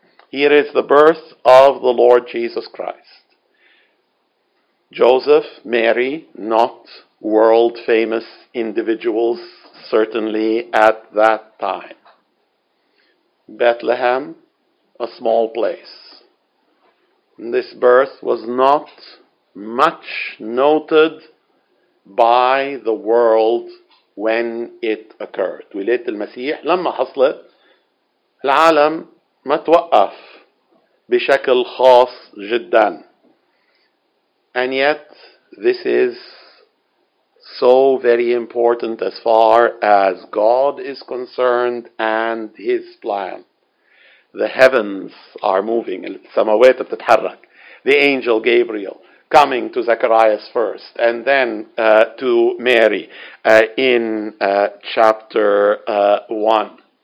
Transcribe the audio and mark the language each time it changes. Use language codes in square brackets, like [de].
[en] Here is the birth of the Lord Jesus Christ. Joseph, Mary, not world famous individuals, certainly at that time. Bethlehem, a small place. This birth was not much noted by the world when it occurred. [ar] ولادة المسيح لما حصلت العالم ما توقف بشكل خاص جدا. [en] And yet this is so very important as far as God is concerned and his plan. The heavens are moving. [ar] السماوات بتتحرك. [en] The angel Gabriel coming to Zacharias first and then to Mary in chapter 1.